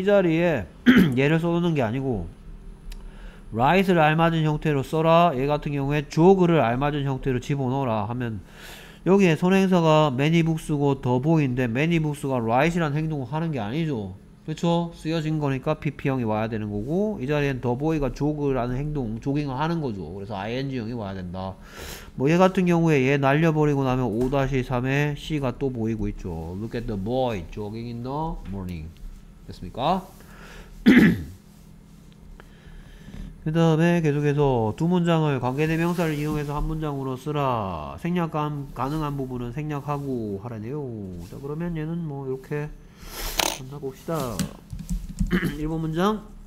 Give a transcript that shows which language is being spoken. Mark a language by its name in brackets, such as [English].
[Korean] 이 자리에 얘를 써놓는 게 아니고 write를 알맞은 형태로 써라, 얘 같은 경우에 joke를 알맞은 형태로 집어넣어라 하면 여기에 선행사가 many books고 the boy인데 many books가 write이라는 행동을 하는 게 아니죠. 그렇죠? 쓰여진 거니까 pp형이 와야 되는 거고 이 자리엔 the boy가 joke라는 행동, jogging을 하는 거죠. 그래서 ing형이 와야 된다. 뭐 얘 같은 경우에 얘 날려버리고 나면 5-3에 c가 또 보이고 있죠. [English] look at the boy jogging in the morning. [Korean] 됐습니까? 그 다음에 계속해서 두 문장을 관계대명사를 이용해서 한 문장으로 쓰라. 생략 가능한 부분은 생략하고 하라네요. 자, 그러면 얘는 뭐 이렇게 만나 봅시다. 1번 문장.